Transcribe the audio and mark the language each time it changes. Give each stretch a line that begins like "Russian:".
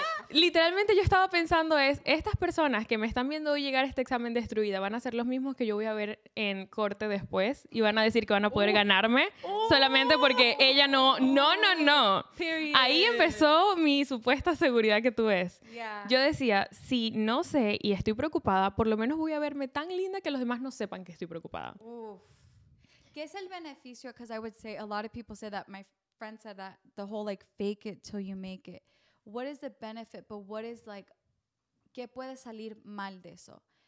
Spanish: Literalmente yo estaba pensando es, estas personas que me están viendo hoy llegar a este examen destruida van a ser los mismos que yo voy a ver en corte después y van a decir que van a poder ganarme solamente porque ella no, no. Period. Ahí empezó mi supuesta seguridad que tú ves. Yo decía, si no sé y estoy preocupada, por lo menos voy a verme tan linda que los demás no sepan que estoy preocupada. ¿Qué es el beneficio?
English: Because I would say a lot of people say that, my friend said that, the whole like fake it till you make it. What is the benefit? But what is like,
Spanish: ¿qué puede salir mal de eso?